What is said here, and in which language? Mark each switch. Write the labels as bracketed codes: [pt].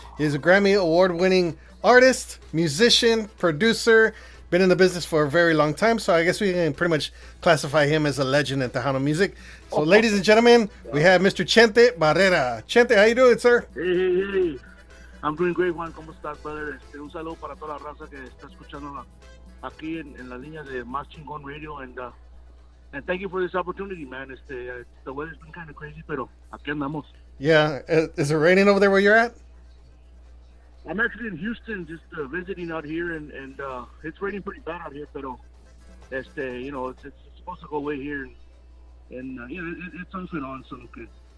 [en] He's a Grammy Award-winning artist, musician, producer, been in the business for a very long time, so I guess we can pretty much classify him as a legend in Tejano music. So, ladies and gentlemen, we have Mr. Chente Barrera. Chente, how you doing, sir? Hey. I'm doing great, Juan. [es] ¿Cómo estás, [en] brother? [es] Un saludo para toda la raza que está escuchando aquí en la línea de Mashing On Radio, [en] and thank you for this opportunity, man. The weather's been kind of crazy, [es] pero aquí andamos. [en] Yeah. Is it raining over there where you're at? I'm actually in Houston, just visiting out here, and it's raining pretty bad out here, pero, you know, it's supposed to go away here, it's something on, so okay.